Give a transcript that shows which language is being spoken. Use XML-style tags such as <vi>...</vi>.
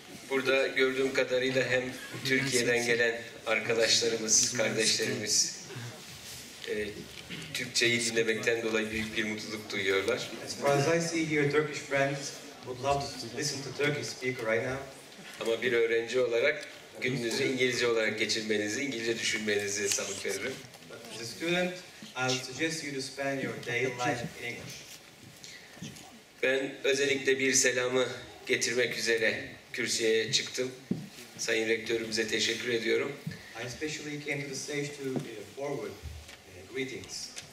<tr>Burada gördüğüm kadarıyla hem Türkiye'den gelen arkadaşlarımız, kardeşlerimiz Türkçeyi dinlemekten dolayı büyük bir mutluluk duyuyorlar.</tr> <en>As far as I see here, Turkish friends would love to listen to Turkish speaker right now.</en> <tr>Ama bir öğrenci olarak gününüzü İngilizce olarak geçirmenizi, İngilizce düşünmenizi sağlık veririm.</tr> <en>As a student, I would suggest you to spend your daily life in English.</en> <tr>Ben özellikle bir selamı getirmek üzere kürsüye çıktım. Sayın Rektörümüze teşekkür ediyorum.</tr> <en>I especially came to the stage to forward greetings.</en>